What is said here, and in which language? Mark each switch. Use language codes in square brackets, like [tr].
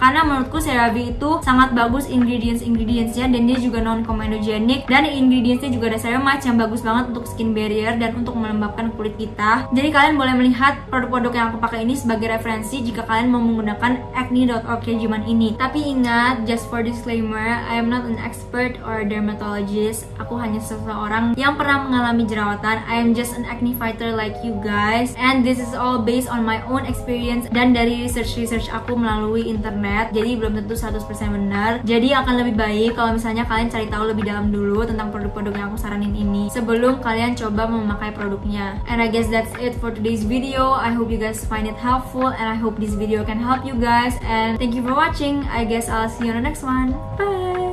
[id] Karena menurutku CeraVe itu sangat bagus ingredients-ingredientsnya, dan dia juga non-comedogenic, dan ingredientsnya juga ada ceramide yang bagus banget untuk skin barrier dan untuk melembabkan kulit kita. Jadi kalian boleh melihat produk-produk yang aku pakai ini sebagai referensi jika kalian mau menggunakan acne.org regimen ini. Tapi ingat, [en] just for disclaimer, I am not an expert or dermatologist. [id] Aku hanya seseorang yang pernah mengalami jerawatan. [en] I am just an acne fighter like you guys. And this is all based on my own experience [id] dan dari research-research aku melalui internet. Jadi belum tentu 100% benar. Jadi akan lebih baik kalau misalnya kalian cari tahu lebih dalam dulu tentang produk-produk yang aku saranin ini sebelum kalian coba memakai produknya. [en] And I guess that's it for today's video. I hope you guys find it helpful and I hope this video can help you guys. And thank you for watching. I guess I'll see you on the next one. Bye!